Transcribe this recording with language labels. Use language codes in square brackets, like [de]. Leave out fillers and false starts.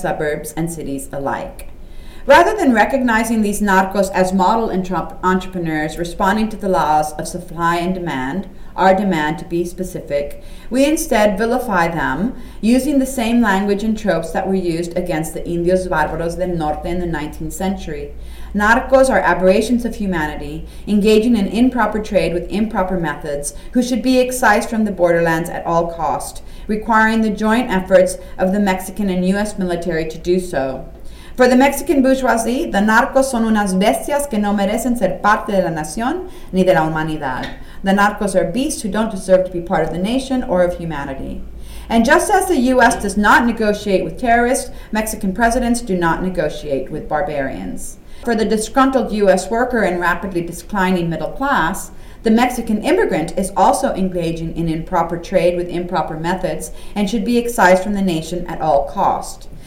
[en] suburbs and cities alike. Rather than recognizing these narcos as model entrepreneurs responding to the laws of supply and demand, our demand to be specific, we instead vilify them using the same language and tropes that were used against the Indios Bárbaros del Norte in the 19th century. Narcos are aberrations of humanity, engaging in improper trade with improper methods, who should be excised from the borderlands at all cost, requiring the joint efforts of the Mexican and U.S. military to do so. For the Mexican bourgeoisie, the narcos [es] son unas bestias que no merecen ser parte de la nación ni de la humanidad. [en] The narcos are beasts who don't deserve to be part of the nation or of humanity. And just as the U.S. does not negotiate with terrorists, Mexican presidents do not negotiate with barbarians. For the disgruntled U.S. worker and rapidly declining middle class, the Mexican immigrant is also engaging in improper trade with improper methods and should be excised from the nation at all cost.